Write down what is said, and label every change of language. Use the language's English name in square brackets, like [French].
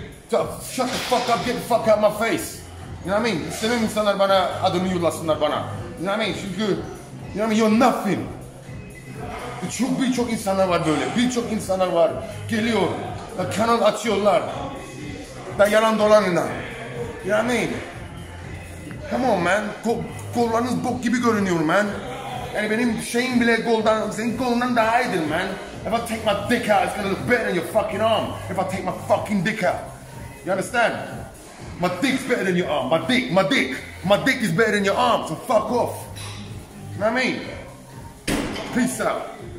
[English] Shut the fuck up, get the fuck out my face. You know what I mean? [Turkish] İstemem insanlar bana adını yollasınlar bana. [English] You know what I mean? [Turkish] Çünkü, [English] you know what I mean? You're nothing. [Turkish] Çünkü birçok insanlar var böyle. Birçok insanlar var. Geliyor. Kanal açıyorlar. Da yalan dolanına. [English] You know what I mean? Come on man. [Turkish] Kollarınız bok gibi görünüyor man. Yani benim şeyim bile goldan, senin golundan daha iyidir man. [English] If I take my dick out, it's gonna look better than your fucking arm. If I take my fucking dick out. You understand? My dick's better than your arm. My dick. My dick is better than your arm, so fuck off. You know what I mean? Peace out.